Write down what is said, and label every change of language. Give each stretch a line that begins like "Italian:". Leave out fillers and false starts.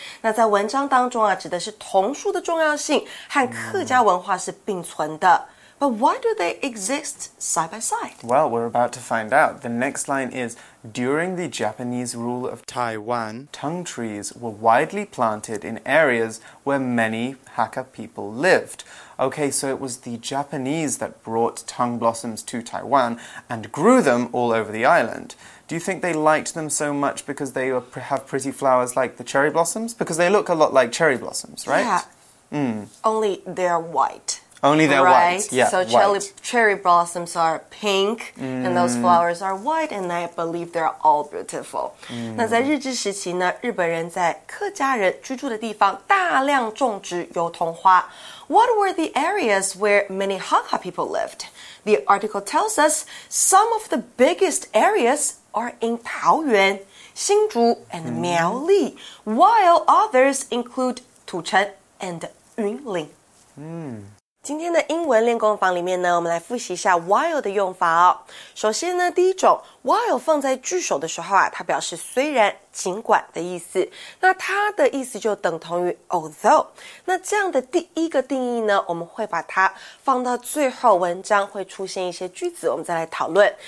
Chinese: 那在文章当中啊，指的是桐树的重要性和客家文化是并存的。
English: But why do they exist side by side? Well, we're about to find out. The next line is, during the Japanese rule of Taiwan, tongue trees were widely planted in areas where many Hakka people lived. Okay, so it was the Japanese that brought tongue blossoms to Taiwan and grew them all over the island. Do you think they liked them so much because they have pretty flowers like the cherry blossoms? Because they look a lot like cherry blossoms, right? Yeah. Only they're white. Only they're white. Yeah, so cherry blossoms are pink, and those flowers are white, and I believe they're all beautiful.
Chinese: 那在日治时期呢，日本人在客家人居住的地方大量种植油桐花。
English: What were the areas where many Hakka people lived? The article tells us some of the biggest areas are in Taoyuan, 新竹 and Miao Li, while others include 土城 and 云林。
Chinese: 今天的英文练功房里面呢，我们来复习一下 while 的用法哦。首先呢，第一种 while 放在句首的时候啊，它表示虽然、尽管的意思。那它的意思就等同于 although。那这样的第一个定义呢，我们会把它放到最后，文章会出现一些句子，我们再来讨论。